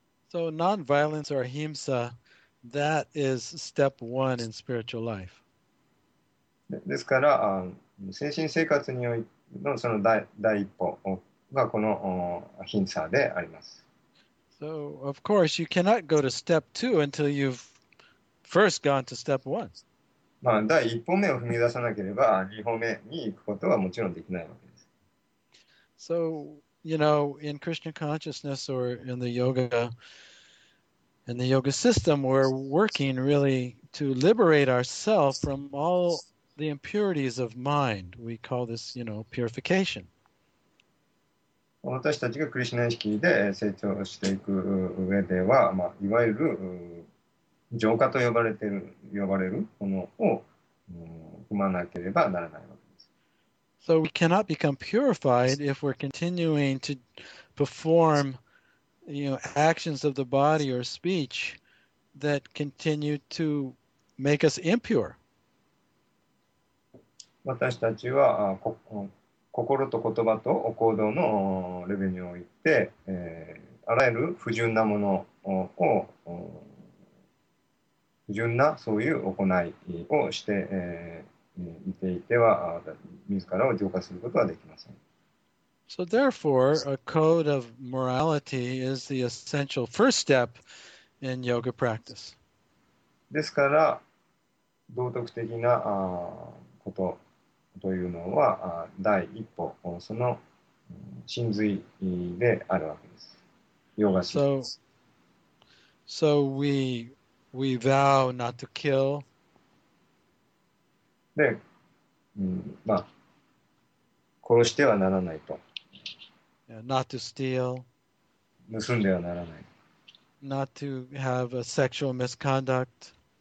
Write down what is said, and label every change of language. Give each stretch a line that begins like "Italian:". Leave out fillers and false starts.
English: So non-violence or ahimsa, that is step one in spiritual life.
Japanese: ですから、精神生活においてのその第一歩がこのアヒンサであります。
English: So, of course, you cannot go to step two until you've first gone to step one.
Japanese: まあ、第一歩目を踏み出さなければ、二歩目に行くことはもちろんできないわけです。
English: So, you know, in Krishna consciousness or in the yoga system, we're working really to liberate ourselves from all the impurities of mind. We call this, purification.
Japanese: 私たちがクリシュナ意識で成長していく上では、まあ、いわゆる浄化と呼ばれるものを、踏まなければならないわけです。
English: So we cannot become purified if we're continuing to perform, actions of the body or speech that continue to make us impure.
Japanese: 私たちは、心と言葉と行動のレベルにおいて、あらゆる不純なものを、不純なそういう行いをして、いていては、自らを浄化することはできません。
English: So therefore, a code of morality is the essential first step in yoga practice.
Japanese: ですから、道徳的なことというのは第一歩、その真髄であるわけです。ヨガ真髄。
English: So we vow not to kill.
Japanese: で、まあ、殺してはならないと。
English: Not to steal,
Japanese: 盗んではならない。
English: not to have a sexual misconduct.